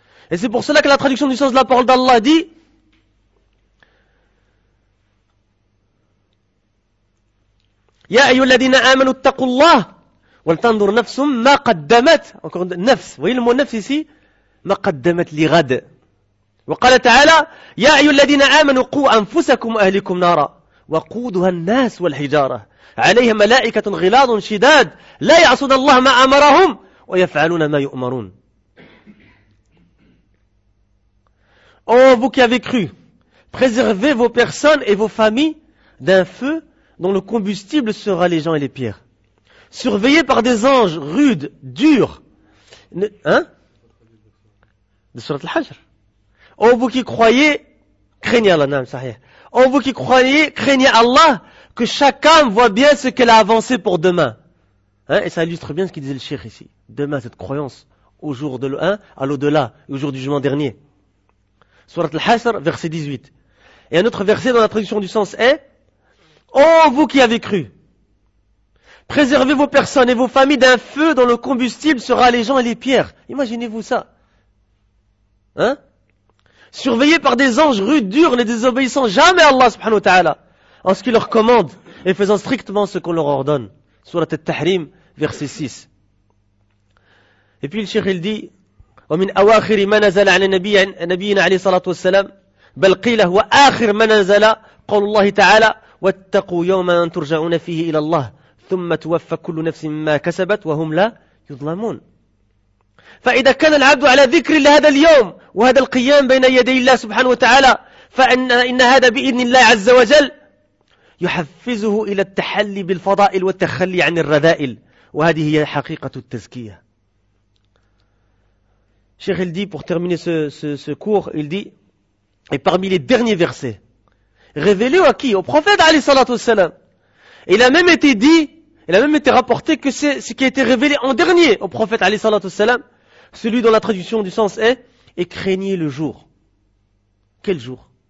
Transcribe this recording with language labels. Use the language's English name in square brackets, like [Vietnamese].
[French] Et c'est pour cela que la traduction du sens de la parole d'Allah dit, [Arabic] يا أيها الذين آمنوا اتقوا الله ولتنظر نفس ما قدمت نفس ويلم النفس سي ما قدمت لغد. وقال تعالى يا أيها الذين آمنوا قوا أنفسكم أهلكم نارا وقودها الناس والحجارة عليها ملائكة غلاظ شداد لا يعصون الله ما أمرهم ويفعلون ما يؤمرون. [French] Oh vous qui avez cru, préservez vos personnes et vos familles d'un feu dont le combustible sera les gens et les pierres. Surveillé par des anges rudes, durs. Hein? De Surat al-Hajr. Oh, vous qui croyez, craignez Allah, non, ça rien. Oh, vous qui croyez, craignez Allah, que chaque âme voit bien ce qu'elle a avancé pour demain. Hein? Et ça illustre bien ce qu'il disait le Cheikh ici. Demain, cette croyance, au jour de l'un, à l'au-delà, au jour du jugement dernier. Surat al-Hajr, verset 18. Et un autre verset dans la traduction du sens est, oh, vous qui avez cru, préservez vos personnes et vos familles d'un feu dont le combustible sera les gens et les pierres. Imaginez-vous ça. Hein? Surveillez par des anges rudes, durs, ne désobéissant jamais à Allah subhanahu wa ta'ala, en ce qu'il leur commande et faisant strictement ce qu'on leur ordonne. Surat al-Tahrim, verset 6. Et puis le Cheikh il dit, [Arabic] وَمِنْ أَوَاخِرِ مَا نَزَلَ عَلَى نَبِيِّنَا عَلَيْهِ صَلَاتُ وَالسَّلَامِ بَلْ قِيلَ هُوَ آخِرْ مَا نَزَلَ قَوْلُ اللَّهِ تَعَالَى واتقوا يوما ترجعون فيه الى الله ثم توفى كل نفس ما كسبت وهم لا يظلمون. فاذا كان العبد على ذكر لهذا اليوم وهذا القيام بين يدي الله سبحانه وتعالى فان هذا باذن الله عز وجل يحفزه الى التحلي بالفضائل والتخلي عن الرذائل وهذه هي حقيقه التزكيه. شيخ الدي [French] pour terminer ce cours il dit et parmi les derniers versets révélé à qui? Au prophète, alayhi salatu wassalam. Il a même été dit, Il a même été rapporté que c'est ce qui a été révélé en dernier au prophète alayhi salatu wassalam, celui dont la traduction du sens est « Et craignez le jour. » Quel jour?